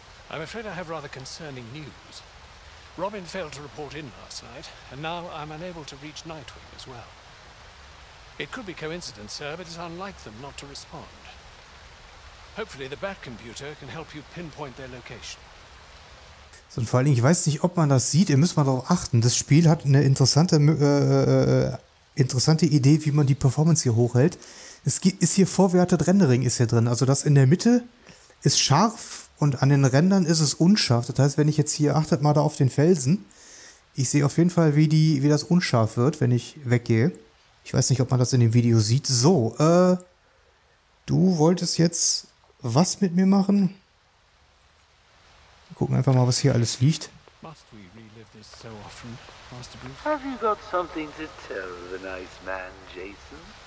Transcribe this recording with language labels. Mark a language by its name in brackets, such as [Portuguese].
[English] I'm afraid I have rather concerning news. Robin failed to report in last night, and now I'm unable to reach Nightwing as well. It could be coincidence, sir, but it's unlike them not to respond. Hopefully the Batcomputer can help you pinpoint their location. [German] So, und vor allem, ich weiß nicht, ob man das sieht, ihr müsst mal darauf achten. Das Spiel hat eine interessante Idee, wie man die Performance hier hochhält. Es ist hier vorwertet Rendering ist hier drin, also das in der Mitte ist scharf. Und an den Rändern ist es unscharf. Das heißt, wenn ich jetzt hier, achtet mal da auf den Felsen. Ich sehe auf jeden Fall, wie das unscharf wird, wenn ich weggehe. Ich weiß nicht, ob man das in dem Video sieht. So, du wolltest jetzt was mit mir machen? Wir gucken einfach mal, was hier alles liegt. [English] Must we relive this so often, Master Bruce? Have you got something to tell the nice man, Jason?